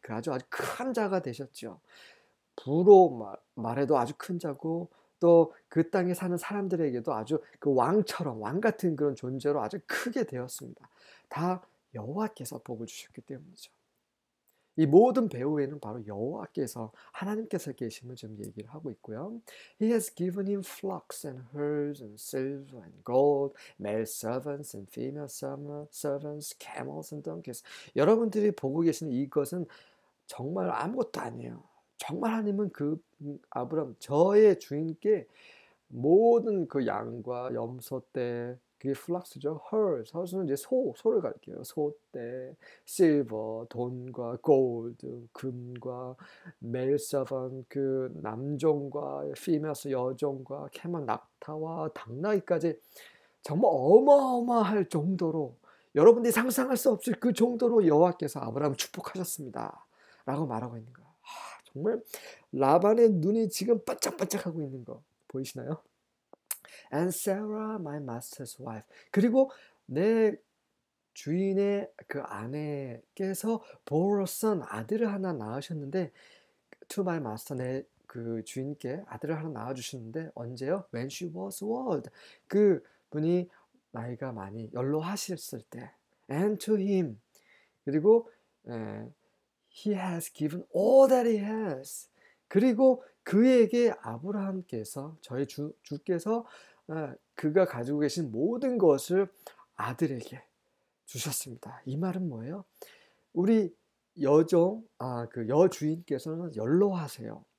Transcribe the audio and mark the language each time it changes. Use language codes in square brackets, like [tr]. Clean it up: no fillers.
[ko] 그 아주 아주 큰 자가 되셨죠. 부로 말해도 아주 큰 자고 또그 땅에 사는 사람들에게도 아주 그 왕처럼 왕 같은 그런 존재로 아주 크게 되었습니다. 다 여호와께서 복을 주셨기 때문이죠. 이 모든 배후에는 바로 여호와께서 하나님께서 계심을 지금 얘기를 하고 있고요. [en] He has given him flocks and herds and silver and gold, male servants and female servants, camels and donkeys. [ko] 여러분들이 보고 계시는 이것은 정말 아무것도 아니에요. 정말 하나님은 그 아브라함 저의 주인께 모든 그 양과 염소 떼 그게 플락스죠. 헐, 선수는 이제 소, 소를 가리켜요. 소떼, 실버, 돈과 골드, 금과 멜서번, 그 남종과 피메스, 여종과 캐만, 낙타와 당나귀까지 정말 어마어마할 정도로 여러분들이 상상할 수 없을 그 정도로 여호와께서 아브라함을 축복하셨습니다라고 말하고 있는 거야. 정말 라반의 눈이 지금 반짝반짝하고 있는 거 보이시나요? [en] And Sarah, my master's wife. [ko] 그리고 내 주인의 그 아내께서 보로선 아들을 하나 낳으셨는데, [en] to my master, [ko] 내그 주인께 아들을 하나 낳아주셨는데, 언제요? [en] When she was old. [ko] 그 분이 나이가 많이 연로하셨을 때. [en] And to him. [ko] 그리고 [en] he has given all that he has. [ko] 그리고 그에게 아브라함께서, 저희 주께서 그가 가지고 계신 모든 것을 아들에게 주셨습니다. 이 말은 뭐예요? 우리 여종, 그 여주인께서는 연로하세요.